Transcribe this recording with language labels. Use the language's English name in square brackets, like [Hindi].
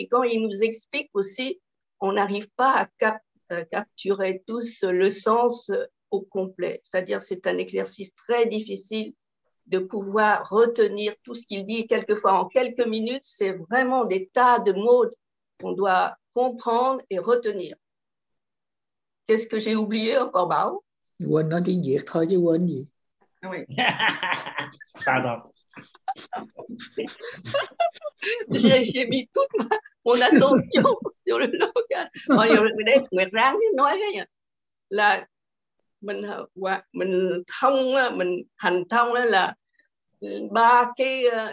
[French] Et quand il nous explique aussi, on n'arrive pas à capturer tous le sens au complet. C'est-à-dire, c'est un exercice très difficile de pouvoir retenir tout ce qu'il dit quelquefois en quelques minutes, c'est vraiment des tas de mots qu'on doit comprendre et retenir. Qu'est-ce que j'ai oublié encore, Bao? [Vietnamese] Quên nói tiếng Việt thôi chứ quên gì. [French] Oui. Pardon. J'ai mis toute mon attention sur le langage. [Vietnamese] Mình ráng nói hết nhỉ. Là mình thông, mình hành thông là ba cái